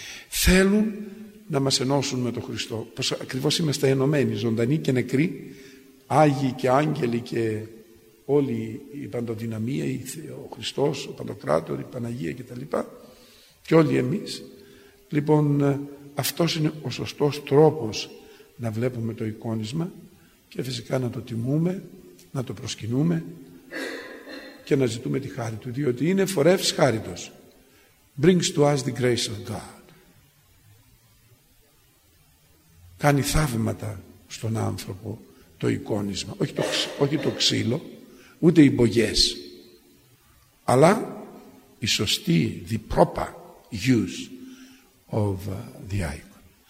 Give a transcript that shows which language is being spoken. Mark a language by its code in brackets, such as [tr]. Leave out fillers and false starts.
[el] Θέλουν να μας ενώσουν με τον Χριστό, πως ακριβώς είμαστε ενωμένοι, ζωντανοί και νεκροί, Άγιοι και Άγγελοι και όλη η παντοδυναμία, ο Χριστός, ο Παντοκράτορ, η Παναγία κτλ. Και όλοι εμείς. Λοιπόν, αυτός είναι ο σωστός τρόπος να βλέπουμε το εικόνισμα και φυσικά να το τιμούμε, να το προσκυνούμε και να ζητούμε τη χάρη του, διότι είναι φορεύς χάριτος. [en] Brings to us the grace of God. [el] Κάνει θαύματα στον άνθρωπο το εικόνισμα, όχι το ξύλο, ούτε οι μπογιές, αλλά η σωστή, [en] the proper use of the icon.